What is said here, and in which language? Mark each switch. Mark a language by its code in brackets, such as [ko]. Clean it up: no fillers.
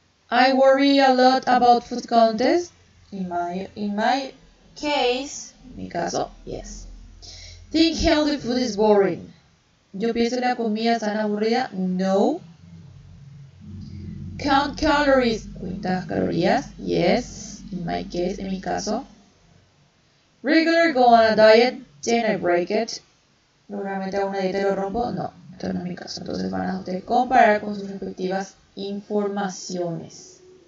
[en] I worry a lot about food contest. In my case, yes. Think healthy food is boring. [es] Yo pienso que la comida es tan aburrida. No. [en] Count calories, [es] cuentas calorías, [en] yes, [es] en mi caso. [en] Regular, go on a diet, then I break it. [es] Normalmente hago una dieta y lo rompo, no, esto no es mi caso. Entonces van a ustedes comparar con sus respectivas informaciones.